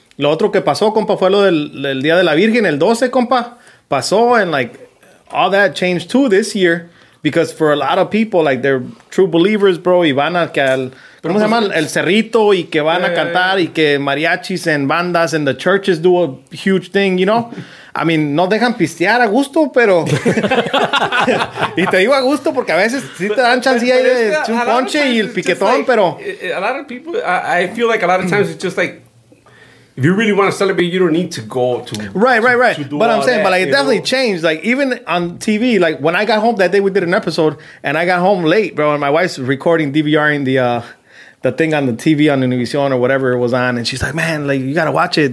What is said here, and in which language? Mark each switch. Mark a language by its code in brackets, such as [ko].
[es] Lo otro que pasó, compa, fue lo del Día de la Virgen, el 12, compa. Pasó, [en] and like all that changed too this year. Because for a lot of people, like, they're true believers, bro. [es] Y van a que al... ¿Cómo se llama? El Cerrito. Y que van a cantar. Y que [en] mariachis and bandas and the churches do a huge thing, you know? [es] I mean, no dejan pistear a gusto, pero... y te digo a gusto porque a veces sí te dan chance ahí de un ponche y el piquetón, pero... [en] A lot of people... I feel like a lot of times it's just like... If you really want to celebrate, you don't need to go to... Right. To do but I'm saying, that, but like, it definitely changed. Like, even on TV, like, when I got home that day, we did an episode, and I got home late, bro, and my wife's recording DVRing the thing on the TV on Univision or whatever it was on, and she's like, man, like, you got to watch it.